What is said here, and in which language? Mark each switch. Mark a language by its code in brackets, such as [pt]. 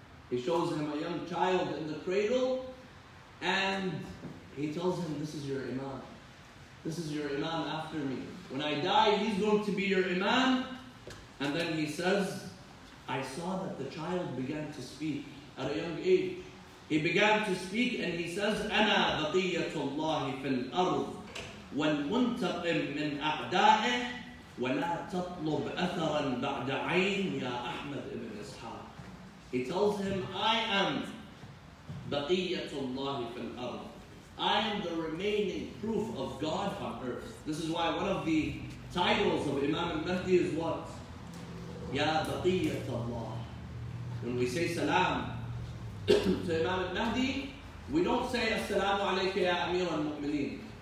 [en] He shows him a young child in the cradle, and he tells him, this is your imam. This is your imam after me. When I die, he's going to be your imam. And then he says, I saw that the child began to speak at a young age. He began to speak and he says, [ar] أَنَا بَقِيَّةُ اللَّهِ فِي الْأَرْضِ وَالْمُنْتَقِمْ مِنْ أَعْدَائِهِ وَلَا تَطْلُبْ أَثَرًا بَعْدَ عَيْنِ يَا أَحْمَدْ إِبْنِ. [en] He tells him, I am baqiyatullah fil ard. I am the remaining proof of God on earth. This is why one of the titles of Imam al-Mahdi is what? Ya baqiyatullah. When we say salam to Imam al-Mahdi, we don't say assalamu alayka ya amir al-mu'mineen.